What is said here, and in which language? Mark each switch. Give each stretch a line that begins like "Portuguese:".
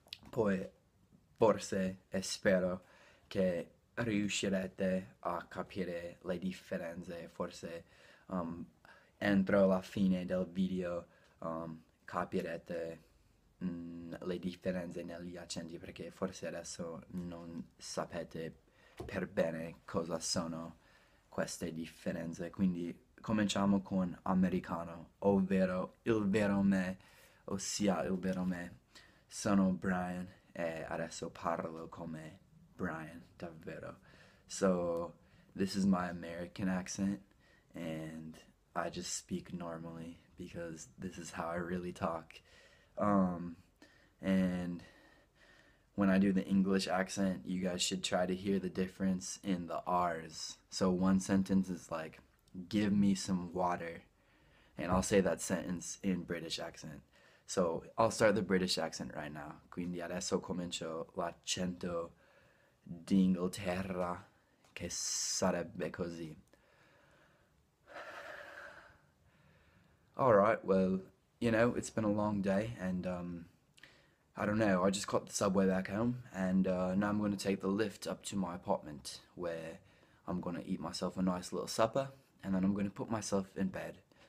Italian: Poi forse e spero che riuscirete a capire le differenze, forse entro la fine del video capirete le differenze negli accenti, perché forse adesso non sapete per bene cosa sono queste differenze. Quindi cominciamo con americano, ovvero il vero me, ossia il vero me. Sono Brian e adesso parlo come Brian, davvero.
English: So, this is my American accent and I just speak normally because this is how I really talk. And when I do the English accent, you guys should try to hear the difference in the R's. So one sentence is like, give me some water. And I'll say that sentence in British accent. So I'll start the British accent right now.
Italian: Quindi adesso comincio l'accento d'Inghilterra, che sarebbe così.
English: Alright, well, it's been a long day and, I don't know, I just caught the subway back home, and now I'm gonna take the lift up to my apartment where I'm gonna eat myself a nice little supper, and then I'm gonna put myself in bed.